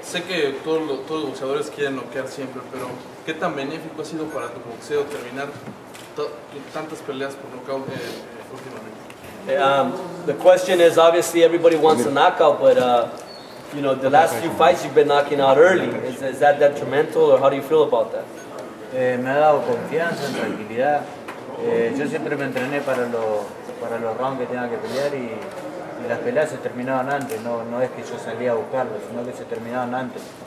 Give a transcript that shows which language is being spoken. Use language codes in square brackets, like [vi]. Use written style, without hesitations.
[es] Sé que todos los boxeadores quieren noquear siempre, pero ¿qué tan benéfico ha sido para tu boxeo terminar tantas peleas por nocaut últimamente? [en] The question is, obviously everybody wants a knockout, but you know, the last few fights you've been knocking out early. Is that detrimental, or how do you feel about that? [es] Me ha dado confianza, tranquilidad. Yo siempre me entrené para los rounds que tenía que pelear y las peleas se terminaban antes. No es que yo salía a buscarlos, sino que se terminaban antes.